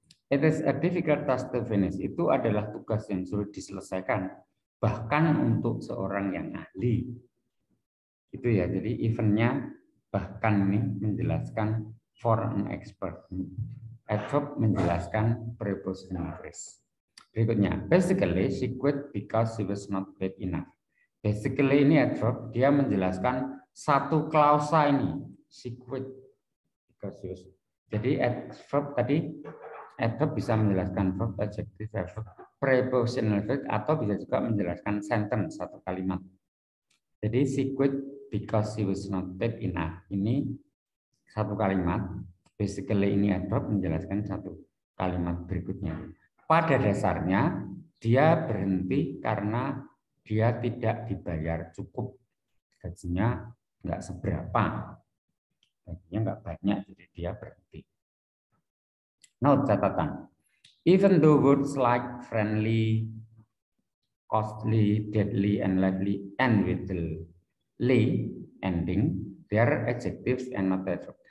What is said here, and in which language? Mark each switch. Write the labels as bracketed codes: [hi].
[en] It is a difficult task to finish. [id] Itu adalah tugas yang sulit diselesaikan. Bahkan untuk seorang yang ahli. Itu ya. Jadi eventnya bahkan ini menjelaskan [en] for an expert. [id] Adverb menjelaskan prepositional phrase. Berikutnya. [en] Basically, she quit because she was not paid enough. [id] Basically ini adverb, dia menjelaskan satu klausa ini, [en] she quit because was. [id] Jadi adverb tadi, adverb bisa menjelaskan verb, adjective, adverb, prepositional verb, atau bisa juga menjelaskan sentence, satu kalimat. [en] Jadi she quit because she was not paid enough. [id] Ini satu kalimat, basically ini adverb menjelaskan satu kalimat berikutnya. Pada dasarnya, dia berhenti karena dia tidak dibayar cukup, gajinya nggak seberapa, gajinya nggak banyak, jadi dia berhenti. [en] Note catatan, even though words like friendly, costly, deadly, and lively end with the ly ending, they are adjectives and not adverb.